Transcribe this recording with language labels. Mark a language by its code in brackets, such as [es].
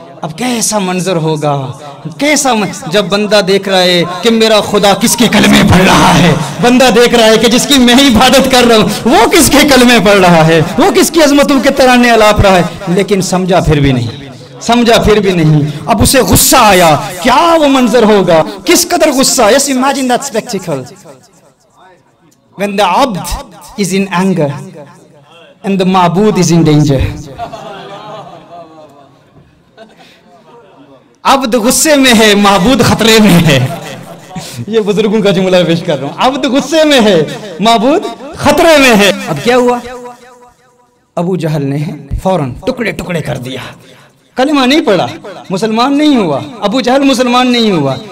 [ur] اب کیسا منظر ہوگا, کیسا جب بندہ دیکھ رہا ہے کہ میرا خدا کس کے کلمے پڑھ رہا ہے. بندہ دیکھ رہا ہے کہ جس کی میں عبادت کر رہا ہوں وہ کس کے کلمے پڑھ رہا ہے, وہ کس کی عظمتوں کے ترانے الاپ رہا ہے. لیکن سمجھا پھر بھی نہیں. اب اسے غصہ آیا. کیا وہ منظر ہوگا, کس قدر غصہ. [en] Yes, imagine that spectacle. When the abd is in anger and the ma'bud is in danger. [ur] عبد غصے میں ہے, معبود خطرے میں ہے. یہ بزرگوں کا جملہ پیش کر رہا ہوں. عبد غصے میں ہے, معبود خطرے میں ہے. اب کیا ہوا؟ ابو جہل نے فوراً ٹکڑے ٹکڑے کر دیا. کلمہ نہیں پڑھا, مسلمان نہیں ہوا. ابو جہل مسلمان نہیں ہوا.